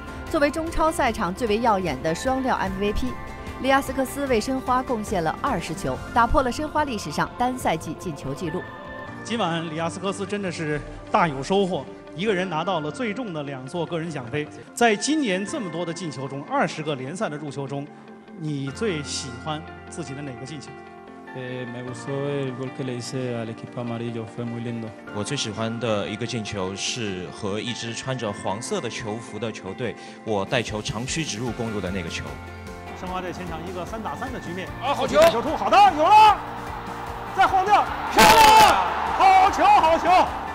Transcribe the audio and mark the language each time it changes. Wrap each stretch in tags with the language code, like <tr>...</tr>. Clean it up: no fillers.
<zh>作为中超赛场最为耀眼的双料 MVP， 利亚斯克斯为申花贡献了20球，打破了申花历史上单赛季进球纪录。今晚利亚斯克斯真的是大有收获，一个人拿到了最重的2座个人奖杯。在今年这么多的进球中，20个联赛的入球中，你最喜欢自己的哪个进球？</zh> <es>Me gustó el gol que le hice al equipo amarillo, fue muy lindo.</es> <zh>我最喜欢的一个进球是和一支穿着黄色的球服的球队，我带球长驱直入攻入的那个球。申花队前场一个3-3的局面，啊，好球！球出，好的，有了，再晃掉，漂亮！好球，好球！</zh>